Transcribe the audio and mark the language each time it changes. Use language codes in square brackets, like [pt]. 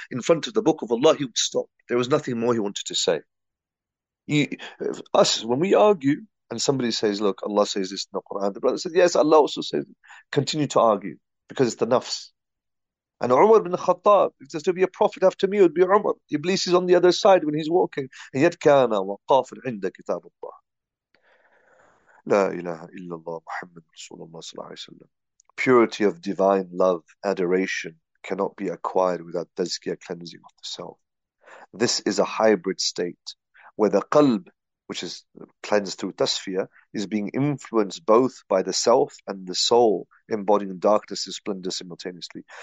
[en] In front of the book of Allah, he would stop. There was nothing more he wanted to say. Us, when we argue and somebody says, "Look, Allah says this in the Quran," the brother says, "Yes, Allah also says it." Continue to argue because it's the nafs. And Umar bin Khattab, if there's to be a prophet after me, it would be Umar. Iblis is on the other side when he's walking. And yet, [ar] كان وقاف عند كتاب الله. La ilaha illallah Muhammad Rasulullah sallallahu alayhi wa sallam. [en] Purity of divine love, adoration cannot be acquired without tazkiyah, cleansing of the self. This is a hybrid state where the qalb, which is cleansed through tasfiyah, is being influenced both by the self and the soul, embodying darkness and splendor simultaneously.